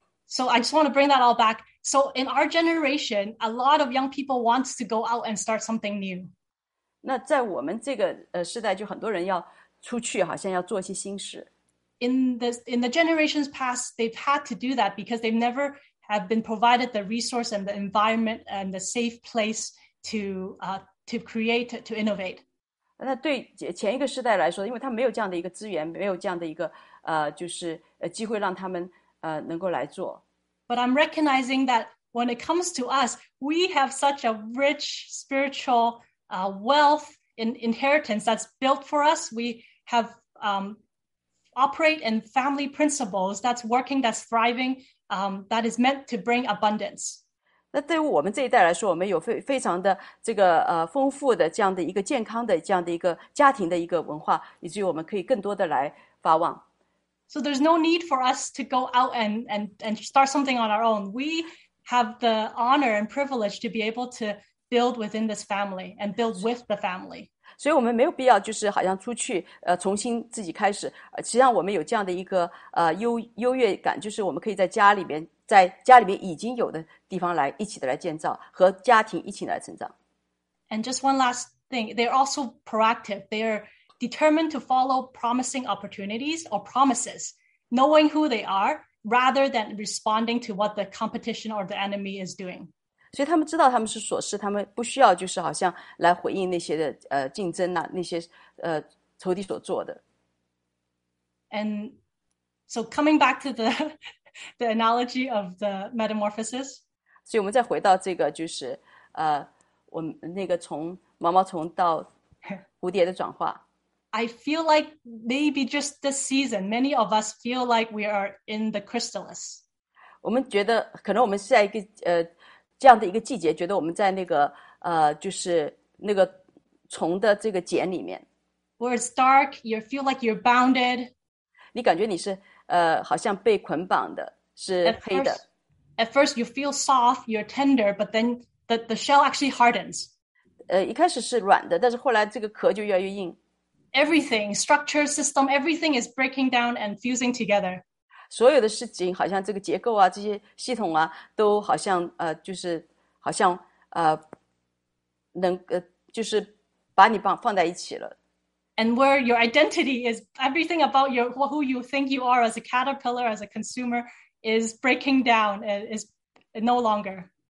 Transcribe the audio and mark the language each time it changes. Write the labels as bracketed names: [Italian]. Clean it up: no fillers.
[English] So I just want to bring that all back. So in our generation, a lot of young people wants to go out and start something new. [Chinese] 那在我们这个时代，就很多人要出去，好像要做一些新事。 [English] In the generations past, they've had to do that because they've never have been provided the resource and the environment and the safe place to create to innovate. [Chinese] 那对前一个时代来说，因为他没有这样的一个资源，没有这样的一个就是机会让他们能够来做。 [English] But I'm recognizing that when it comes to us, we have such a rich spiritual wealth in inheritance that's built for us. We have operate in family principles that's working, that's thriving, that is meant to bring abundance. [Chinese] 那对于我们这一代来说，我们有非常的这个丰富的这样的一个健康的这样的一个家庭的一个文化，以至于我们可以更多的来发望。 [English] So there's no need for us to go out and start something on our own. We have the honor and privilege to be able to build within this family and build with the family. [Chinese] 所以我们没有必要就是好像出去重新自己开始，实际上我们有这样的一个优越感，就是我们可以在家里面已经有的地方来一起的来建造，和家庭一起来成长。 [English] And just one last thing, they're also proactive. They're determined to follow promising opportunities or promises, knowing who they are rather than responding to what the competition or the enemy is doing. [Chinese] 所以他们知道他们是所事，他们不需要就是好像来回应那些的竞争啊，那些仇敌所做的。 [English] And so coming back to the analogy of the metamorphosis. [Chinese] 所以我们再回到这个就是我们那个从毛毛虫到蝴蝶的转化。 [English] I feel like maybe just this season, many of us feel like we are in the chrysalis. [Chinese] 我们觉得可能我们是在一个这样的一个季节，觉得我们在那个就是那个虫的这个茧里面。 [English] Where it's dark, you feel like you're bounded. [Chinese] 你感觉你是好像被捆绑的，是黑的。 [English] At first you feel soft, you're tender, but then the shell actually hardens. [Chinese] 一开始是软的，但是后来这个壳就越来越硬。 [English] Everything, structure, system, everything is breaking down and fusing together. [Chinese] 所有的事情好像这个结构啊，这些系统啊，都好像就是好像能就是把你放在一起了。 [English] And where your identity is, everything about your who you think you are as a caterpillar, as a consumer, is breaking down, is no longer.